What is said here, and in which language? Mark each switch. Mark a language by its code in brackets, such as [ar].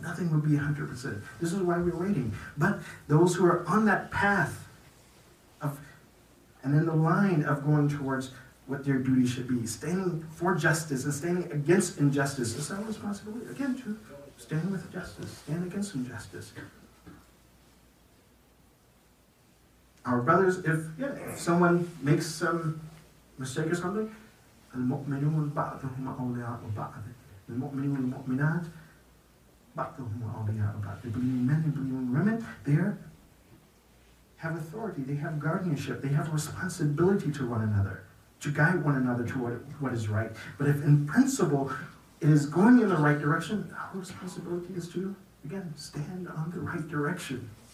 [en] Nothing will be 100%. This is why we're waiting. But those who are on that path of, and in the line of going towards what their duty should be, standing for justice and standing against injustice, is our responsibility. Again, to stand with justice, stand against injustice. Our brothers, if someone makes some mistake or something, [ar] المؤمنون بعضهم أولياء بعض. المؤمنون المؤمنات بعضهم أولياء بعض. [en] The believing men and believing women, they have authority, they have guardianship, they have responsibility to one another, to guide one another toward what is right. But if in principle it is going in the right direction, our responsibility is to, again, stand on the right direction.